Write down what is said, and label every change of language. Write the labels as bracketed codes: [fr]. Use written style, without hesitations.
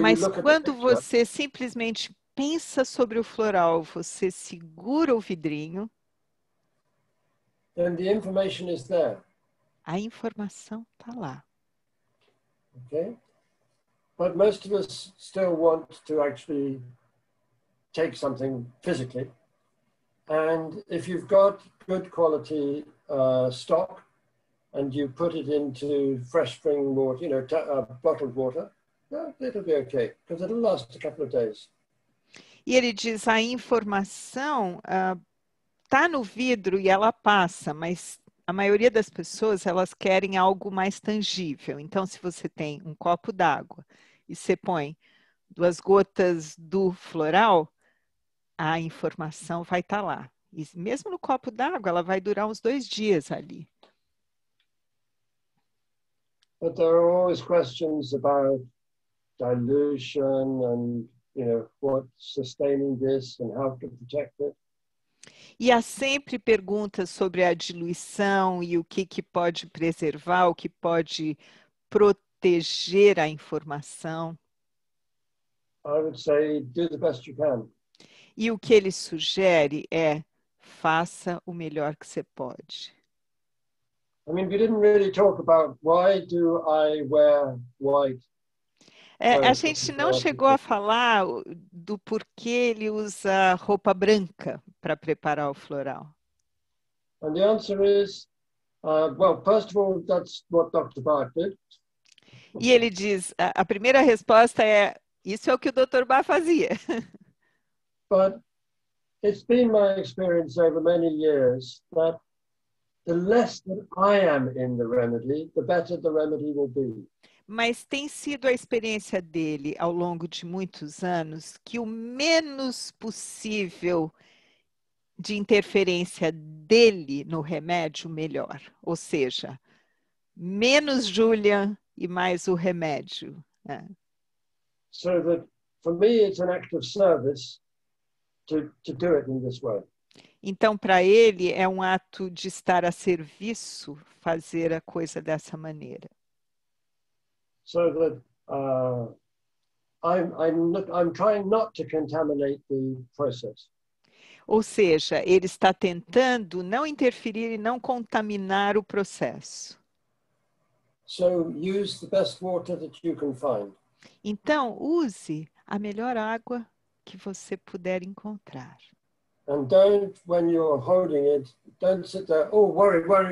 [pt] mas [en] you look [pt] quando [en] at the picture, [pt] você simplesmente pensa sobre o floral, você segura o vidrinho. [en] Then the information is there. [pt] A informação está lá. [en] Okay. But most of us still want to actually take something physically. And if you've got good quality stock and you put it into fresh spring water, you know, bottled water, It'll be okay, because it'll last a couple of days. [pt] E ele diz, a informação tá no vidro e ela passa, mas a maioria das pessoas, elas querem algo mais tangível. Então, se você tem um copo d'água e você põe duas gotas do floral, a informação vai estar lá. E mesmo no copo d'água, ela vai durar uns dois dias ali. [en] But there are always questions about dilution and, you know, what's sustaining this and how to protect it. [pt] E há sempre perguntas sobre a diluição e o que, que pode preservar, o que pode proteger a informação. [en] I would say, do the best you can. [pt] E o que ele sugere é, faça o melhor que você pode. [en] I mean, we didn't really talk about why do I wear white. [pt] A gente não chegou a falar do porquê ele usa roupa branca para preparar o floral. [en] And the answer is, well, first of all, that's what Dr. Bach did. [pt] E ele diz, a primeira resposta é, isso é o que o Dr. Bach fazia. [en] But it's been my experience over many years that the less that I am in the remedy, the better the remedy will be. [pt] Mas tem sido a experiência dele ao longo de muitos anos que o menos possível de interferência dele no remédio, melhor. Ou seja, menos Julian e mais o remédio. É. [en] So that for me it's an act of service to do it in this way. [pt] Então, para ele, é um ato de estar a serviço fazer a coisa dessa maneira. [en] So that I'm trying not to contaminate the process. [pt] Ou seja, ele está tentando não interferir e não contaminar o processo. [en] So use the best water that you can find. [pt] Então, use a melhor água que você puder encontrar. [en] And don't, when you're holding it, don't sit there, worry.